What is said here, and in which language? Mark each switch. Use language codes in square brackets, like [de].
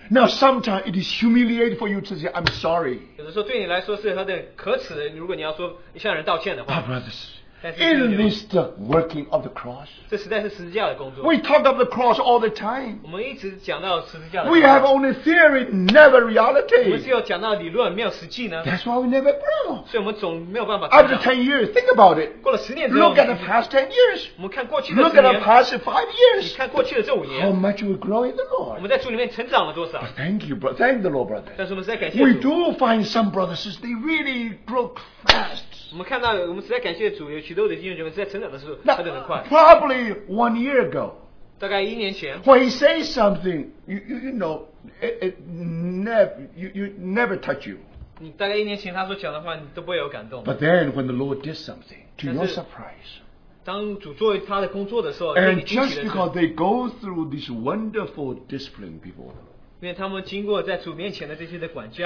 [en] Now sometimes it is humiliating for you to say, I'm sorry. [zh] 有的时候对你来说是很可耻的, 如果你要说向人道歉的话。 [en] But brothers, isn't this the working of the cross? [zh] 这实在是十字架的工作。 [en] We talk of the cross all the time. [zh] 我们一直讲到十字架的工作。 [en] We have only theory, never reality. [zh] 我们只有讲到理论，没有实际呢。 [en] That's why we never grow. [zh] 所以我们总没有办法看到。 [en] After 10 years, think about it. [zh] 过了十年之后, [en] look at the past 10 years. [zh] 我们看过去的十年, [en] look at the past 5 years. [zh] 你看过去的这五年, [en] how much we grow in the Lord. [zh] 我们在主里面成长了多少? [en] But thank you, bro. Thank the Lord, brother. [zh] 但是我们实在感谢主。 [en] We do find some brothers, they really grow fast. [zh] 我们看到我们实在感谢主, 有许多的弟兄姐妹在成长的时候, [en] now, [zh] 发展得很快。 [en] Probably 1 year ago, [zh] 大概一年前, [en] when he says something, you know, it never touch you. [zh] 大概一年前他所讲的话, 你都不会有感动。 [en] But then when the Lord did something, to your surprise, [zh] 当主做他的工作的时候, [en] and just because they go through this wonderful discipline before the Lord, [zh] 因为他们经过在主面前的这些的管教,